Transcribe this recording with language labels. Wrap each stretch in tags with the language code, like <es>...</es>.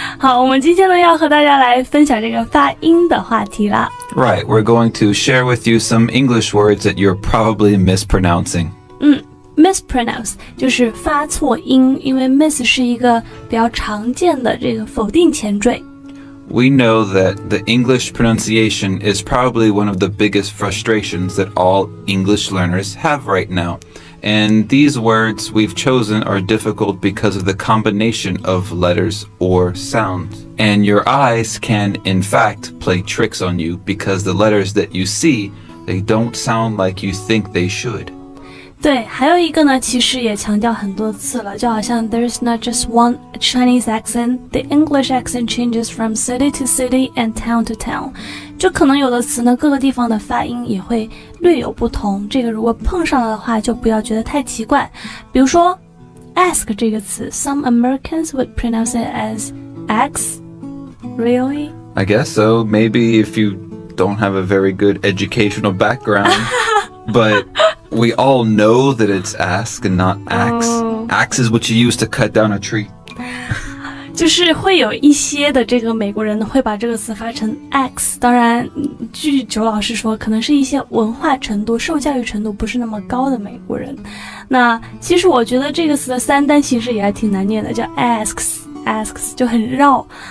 <zh>好，我们今天呢要和大家来分享这个发音的话题啦。</zh> <en>Right, we're going to share with you some English words that you're probably mispronouncing.</en> <zh>Mispronounce 就是发错音，因为 miss 是一个比较常见的这个否定前缀。</zh> <en>We know that the English pronunciation is probably one of the biggest frustrations that all English learners have right now. And these words we've chosen are difficult because of the combination of letters or sounds. And your eyes can, in fact, play tricks on you because the letters that you see, they don't sound like you think they should.</en> <zh>对，还有一个呢，其实也强调很多次了，就好像</zh> <en>there's not just one Chinese accent, the English accent changes from city to city and town to town.</en> <zh>就可能有的词呢，各个地方的发音也会略有不同，这个如果碰上了的话，就不要觉得太奇怪。比如说</zh> <en>ask</en> <zh>这个词，</zh> <en>some Americans would pronounce it as X, really? I guess so, maybe if you don't have a very good educational background, but... We all know that it's ask and not axe. Axe is what you use to cut down a tree.</en> <zh>就是会有一些的这个美国人会把这个词发成 axe. 当然，据九老师说，可能是一些文化程度、受教育程度不是那么高的美国人。那其实我觉得这个词的三单其实也还挺难念的，叫 asks, asks 就很绕。</zh>